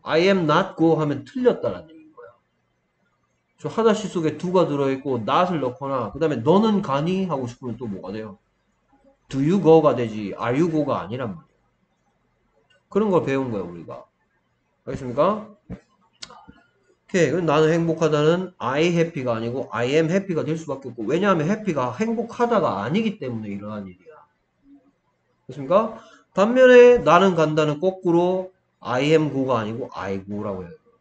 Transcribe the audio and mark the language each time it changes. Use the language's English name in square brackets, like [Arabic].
[English] I am not go [Korean] 하면 틀렸다는 얘기. 저 하다시 속에 두가 들어있고 not을 넣거나 그 다음에 너는 가니? 하고 싶으면 또 뭐가 돼요? [English] Do you go가 되지 Are you go가 [Korean] 아니란 말이에요. 그런 걸 배운 거야 우리가. 알겠습니까? 오케이. 그럼 나는 행복하다는 I happy가 아니고 [English] I am happy [Korean] 가 될 수밖에 없고 왜냐하면 happy가 행복하다가 아니기 때문에 일어난 일이야. 알겠습니까? 반면에 나는 간다는 거꾸로 [English] I am go [Korean] 가 아니고 I go라고 해요.